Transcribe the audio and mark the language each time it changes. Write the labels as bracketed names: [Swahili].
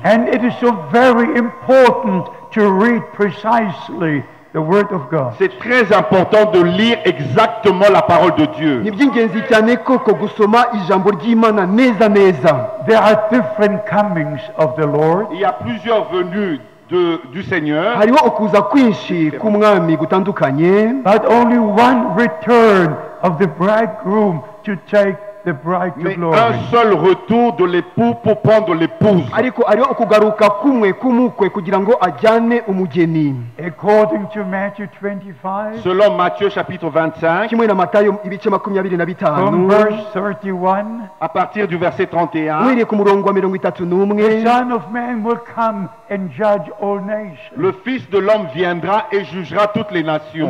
[English] And it is so very important to read precisely the word of God. [French] C'est très important de lire exactement la parole de Dieu. [Kinyarwanda] N'ibyingenzi cyane koko gusoma ijambo ry'Imana neza neza. [English] There are different comings of the Lord. [French] Il y a plusieurs venues du Seigneur. [Kinyarwanda] Hariho ukuza kwinshi kumwami gutandukanye. [English] But only one return of the bridegroom to take the bride to glory. [French] Un seul retour de l'époux pour prendre l'épouse. [Kinyarwanda] Ariko ariyo ukugaruka kumwe kumukwe kugira ngo ajyane umugeni. [English] According to Matthew 25. [French] Selon Matthieu chapitre 25. [Kinyarwanda] Kimwe na Matayo ibice 25. [English] From verse 31. [French] À partir du verset 31. [Kinyarwanda] Wiri ku murongo wa 31. [English] The Son of Man will come and judge all nations. [French] Le Fils de l'homme viendra et jugera toutes les nations.